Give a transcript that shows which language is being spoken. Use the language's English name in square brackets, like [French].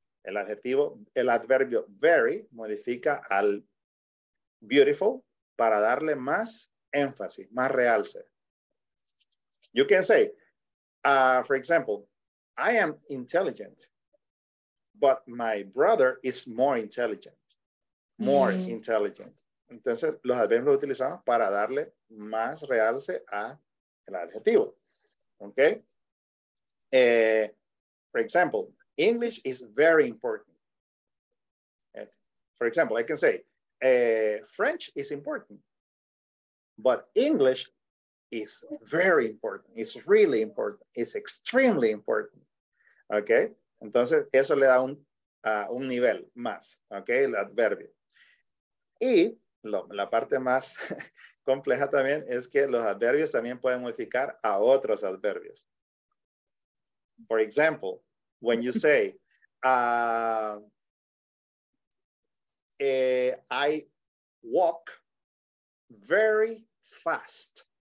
[Spanish] El adverbio very modifica al beautiful para darle más énfasis, más realce. [English] You can say, for example, I am intelligent, but my brother is more intelligent. More intelligent. [Spanish] Entonces, los adverbios los utilizamos para darle más realce a el adjetivo. ¿Ok? [English] For example, English is very important. For example, I can say, French is important, but English is very important. It's really important. It's extremely important. ¿Ok? [Spanish] Entonces, eso le da un nivel más. ¿Ok? El adverbio. Y la parte más compleja también es que los adverbios también pueden modificar a otros adverbios. [English] For example, when you say, I walk very fast.